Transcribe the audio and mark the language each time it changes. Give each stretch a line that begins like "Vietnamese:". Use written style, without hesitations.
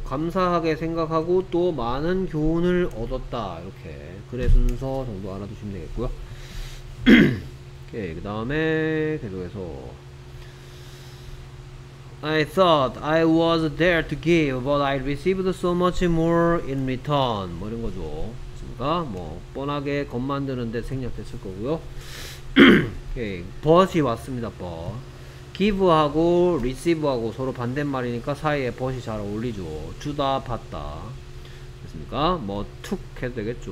Korean: 감사하게 생각하고 또 많은 교훈을 얻었다 이렇게 글의 순서 정도 알아두시면 되겠고요. 오케이.
English: 그 다음에 계속해서 I thought I was there to give but I received so much more in return.
Korean: 뭐 이런 거죠. 그러니까 뭐 뻔하게 겁 만드는데 생략됐을 거고요. Okay. but이 왔습니다. but give하고 receive하고 서로 반대말이니까 사이에 but이 잘 어울리죠. 주다 받다 됐습니까? 뭐 took 해도 되겠죠.